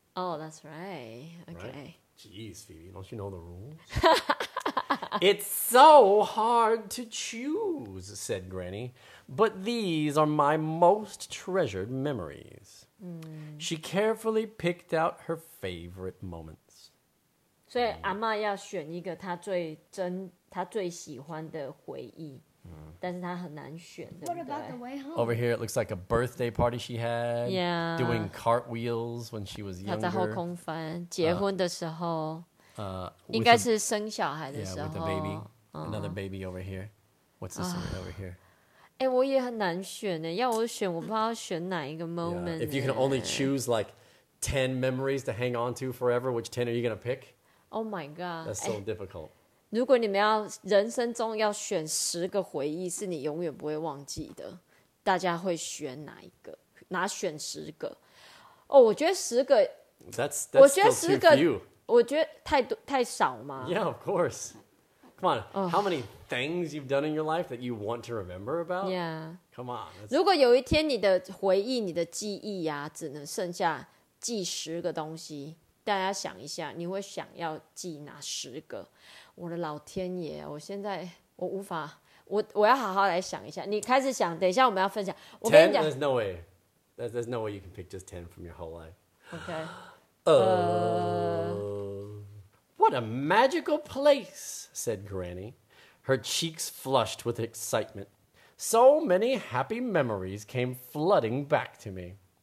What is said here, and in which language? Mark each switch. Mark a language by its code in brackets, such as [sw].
[en] Oh, that's right. Okay. Right? Jeez, Phoebe, don't you know the rules? It's so hard to choose, said Granny, but these are my most treasured memories. Mm. She carefully picked out her favorite moments. [zh] 所以阿嬷要选一个她最珍、她最喜欢的回忆。 Mm. 但是他很难选, [en] what about the way home? Over here, it looks like a birthday party she had. Yeah. Doing cartwheels when she was younger. [zh] 他在后空翻,结婚的时候。应该是生小孩的时候。 [en] Yeah, with a baby. Another baby over here. What's this one over here? [zh] 欸,我也很难选耶,要我选,我不知道选哪一个 moment. [en] Yeah, if you can only choose like 10 memories to hang on to forever, which 10 are you going to pick? Oh my god. That's so difficult. [zh] 如果你们要人生中要选十个回忆是你永远不会忘记的，大家会选哪一个？哪选十个？哦，我觉得十个 [en] that's [zh] 我觉得十个，我觉得太多太少嘛。 [en] Yeah, of course. Come on,、oh. how many things you've done in your life that you want to remember about? Yeah. Come on.、That's... [zh] 如果有一天你的回忆、你的记忆呀、啊，只能剩下记十个东西，大家想一下，你会想要记哪十个？我的老天爷，我现在我无法，我要好好来想一下。你开始想，等一下我们要分享。我跟你讲 [en] there's no way. There's no way you can pick just 10 from your whole life. Okay. What a magical place, said Granny. Her cheeks flushed with excitement. So many happy memories came flooding back to me.